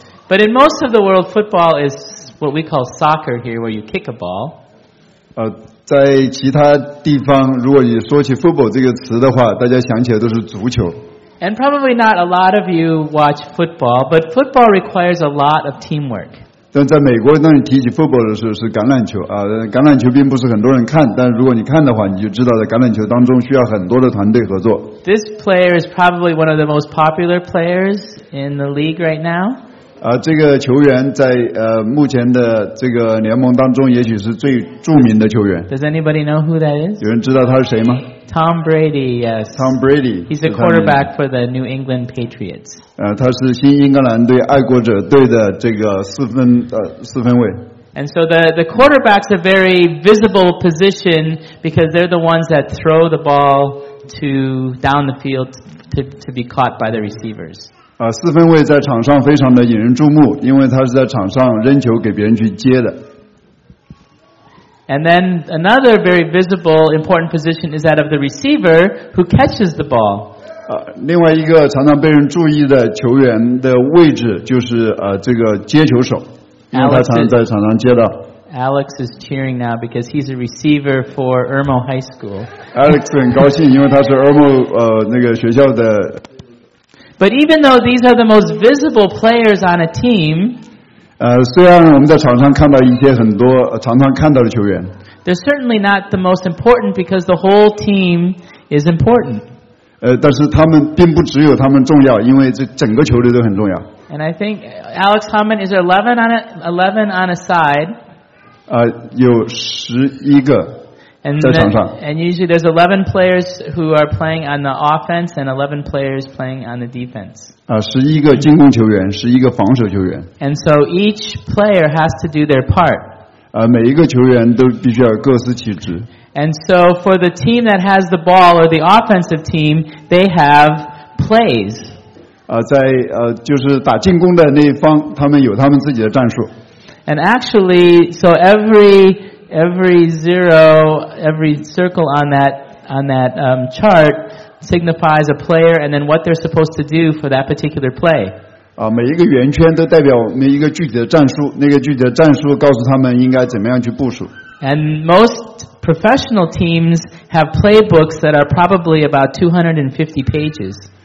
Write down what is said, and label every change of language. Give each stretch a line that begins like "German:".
English: But in most of the world, football is what we call soccer here, where you kick a ball.
Chinese: 在其他地方，如果你说起 football 这个词的话，大家想起来都是足球.
English: And probably not a lot of you watch football, but football requires a lot of teamwork.
Chinese: 但在美国，当你提起 football 的时候是橄榄球啊，橄榄球并不是很多人看，但如果你看的话，你就知道在橄榄球当中需要很多的团队合作。
English: This player is probably one of the most popular players in the league right now.
Chinese: 这个球员在目前的这个联盟当中也许是最著名的球员。
English: Does anybody know who that is?
Chinese: 有人知道他是谁吗？
English: Tom Brady, yes. Tom Brady. He's the quarterback for the New England Patriots.
Chinese: 他是新英格兰队爱国者队的这个四分卫。
English: And so the quarterback's a very visible position because they're the ones that throw the ball to down the field to be caught by the receivers.
Chinese: 四分卫在场上非常的引人注目，因为他是在场上扔球给别人去接的。
English: And then another very visible important position is that of the receiver who catches the ball.
Chinese: 另外一个常常被人注意的球员的位置就是这个接球手。
English: Alex is cheering now because he's a receiver for Irmo High School.
Chinese: Alex 很高兴，因为他是 Irmo 那个学校的。
English: But even though these are the most visible players on a team,
Chinese: 虽然我们在场上看到一些很多常常看到的球员
English: ，they're certainly not the most important because the whole team is important.
Chinese: 但是他们并不只有他们重要，因为这整个球队都很重要。
English: And I think Alex Hammond is 11 on a side.
Chinese: 有11个在场上。
English: And usually there's 11 players who are playing on the offense and 11 players playing on the defense.
Chinese: 11个进攻球员，11个防守球员。
English: And so each player has to do their part.
Chinese: 每一个球员都必须要各司其职。
English: And so for the team that has the ball or the offensive team, they have plays.
Chinese: 在就是打进攻的那一方，他们有他们自己的战术。
English: And actually, so every zero, every circle on that chart signifies a player, and then what they're supposed to do for that particular play.
Chinese: 每一个圆圈都代表每一个具体的战术，那个具体的战术告诉他们应该怎么样去部署。
English: And most professional teams have playbooks that are probably about 250 pages.